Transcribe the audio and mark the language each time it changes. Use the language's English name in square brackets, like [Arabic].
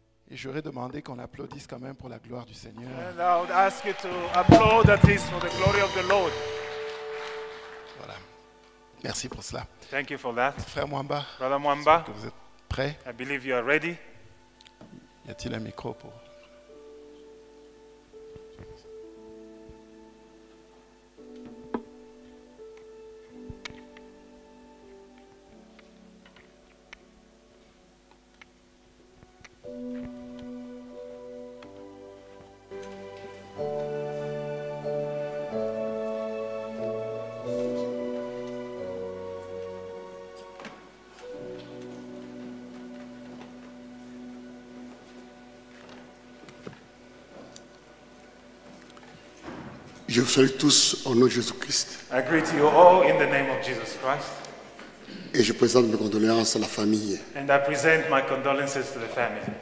[French] J'aurais demandé qu'on applaudisse quand même pour la gloire du Seigneur. [English] And I would ask you to applaud at least for the glory of the Lord. [French] Voilà. Merci pour cela. [English] Thank you for that. [French] Frère Mwamba. [English] Brother Mwamba. [French] Que vous êtes prêt? [English] I believe you are ready. [French] Y a-t-il un micro pour? Je vous salue tous au nom de Jésus-Christ. [English] I greet you all in the name of Jesus Christ. [French] Et je présente mes condoléances à la famille. [English] And I present my condolences to the family.